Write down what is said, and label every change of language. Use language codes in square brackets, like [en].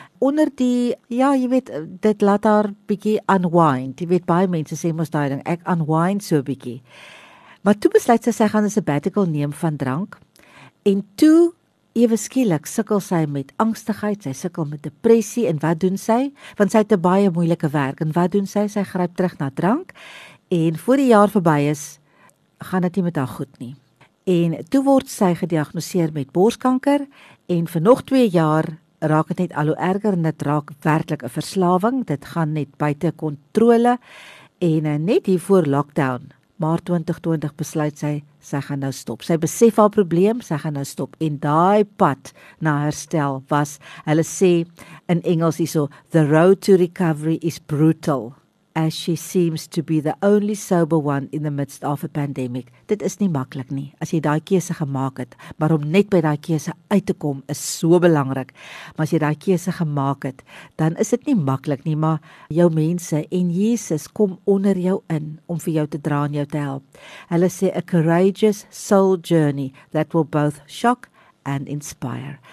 [af] Onder die, ja, jy weet, dit laat haar bietjie unwind. Jy weet, baie mense sê mos daai ding, ek unwind so bietjie. Maar toe besluit sy, sy gaan 'n sabbatical neem van drank, en toe, ewe skielik, sukkel sy met angstigheid, sy sukkel met depressie, en wat doen sy? Want sy het 'n baie moeilike werk, en wat doen sy? Sy gryp terug na drank, en voor die jaar verby is, gaan dit nie met haar goed nie. En toe word sy gediagnoseer met borskanker, en vir nog 2 jaar raak het net al hoe erger, en dit raak werklik 'n verslawing, dit gaan net buite controle, en net hier voor lockdown, maar 2020 besluit sy, sy gaan nou stop. Sy besef haar probleem, sy gaan nou stop, en daai pad na herstel was, hulle sê in Engels hierso, [en] the road to recovery is brutal, as she seems to be the only sober one in the midst of a pandemic. [af] Dit is nie maklik nie, as jy daai keuse gemaak het, maar om net by daai keuse uit te kom, is so belangrik. Maar as jy daai keuse gemaak het, dan is dit nie maklik nie, maar jou mense en Jesus kom onder jou in, om vir jou te dra en jou te help. [en] Hulle sê, a courageous soul journey that will both shock and inspire.